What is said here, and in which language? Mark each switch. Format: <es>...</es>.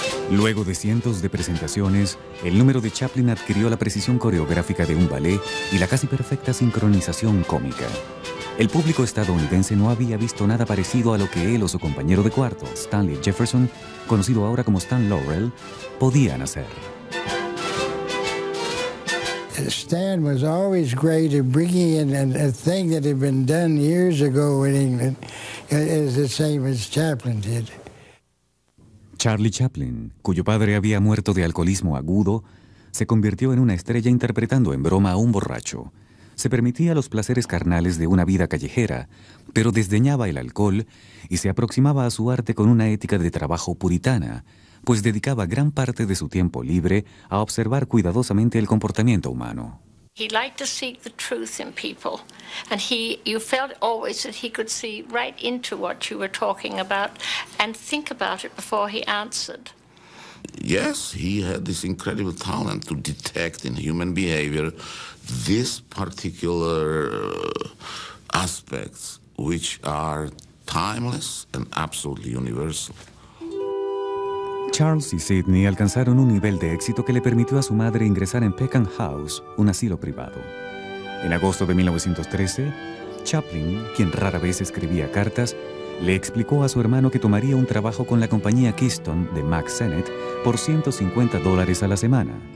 <es>Luego de cientos de presentaciones, el número de Chaplin adquirió la precisión coreográfica de un ballet y la casi perfecta sincronización cómica. El público estadounidense no había visto nada parecido a lo que él o su compañero de cuarto, Stanley Jefferson, conocido ahora como Stan Laurel, podían hacer.</es> <en>Stan was always great at bringing in a thing that had been done years ago in England, is the same as Chaplin did.</en> <es>Charlie Chaplin, cuyo padre había muerto de alcoholismo agudo, se convirtió en una estrella interpretando en broma a un borracho. Se permitía los placeres carnales de una vida callejera, pero desdeñaba el alcohol y se aproximaba a su arte con una ética de trabajo puritana, pues dedicaba gran parte de su tiempo libre a observar cuidadosamente el comportamiento humano.</es> <en>He liked to seek the truth in people, and you felt always that he could see right into what you were talking about and think about it before he answered. Yes, he had this incredible talent to detect in human behavior this particular aspects which are timeless and absolutely universal.</en> <es>Charles y Sidney alcanzaron un nivel de éxito que le permitió a su madre ingresar en Peckham House, un asilo privado. En agosto de 1913, Chaplin, quien rara vez escribía cartas, le explicó a su hermano que tomaría un trabajo con la compañía Keystone de Mack Sennett por $150 a la semana.</es>